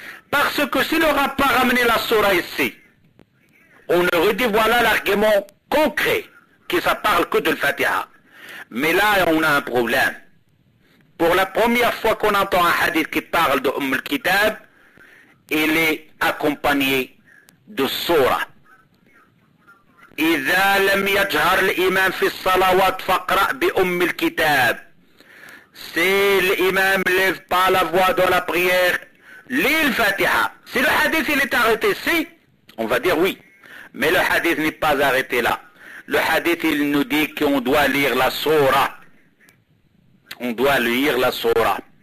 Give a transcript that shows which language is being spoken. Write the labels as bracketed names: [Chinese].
[French] Parce que s'il n'aura pas ramené la surah ici, on aurait dit voilà l'argument concret, que ça parle que de l'Fatiha. Mais là, on a un problème. Pour la première fois qu'on entend un hadith qui parle de Umm al-Kitab, il est accompagné de surah. [Arabic] إذا لم يجهر الإمام في الصلوات فقرأ بأم الكتاب. [French] Si l'imam ne lève pas la voix dans la prière, lis le Fatiha. Si le hadith il est arrêté ici, on va dire oui. Mais le hadith n'est pas arrêté là. Le hadith il nous dit qu'on doit lire la surah. On doit lire la surah.